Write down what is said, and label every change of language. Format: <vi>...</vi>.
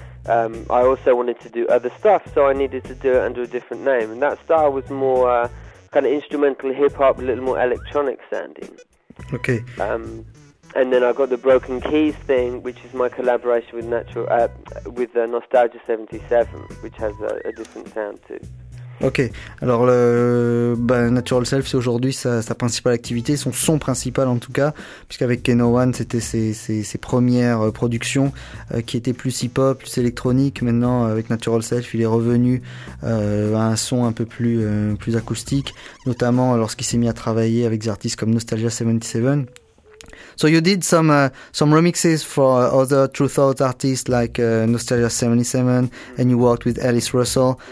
<en>I also wanted to do other stuff, so I needed to do it under a different name. And that style was more kind of instrumental hip hop, a little more electronic sounding. Okay. And then I got the Broken Keys thing, which is my collaboration with Nostalgia 77, which has a different sound too.</en> <fr>Ok, alors Natural Self, c'est aujourd'hui sa principale activité, son son principal en tout cas, puisqu'avec Keno One, c'était ses premières productions qui étaient plus hip-hop, plus électronique. Maintenant, avec Natural Self, il est revenu à un son un peu plus acoustique, notamment lorsqu'il s'est mis à travailler avec des artistes comme Nostalgia 77.</fr> <en>So you did some remixes for other True Thought artists like Nostalgia 77, and you worked with Alice Russell.</en>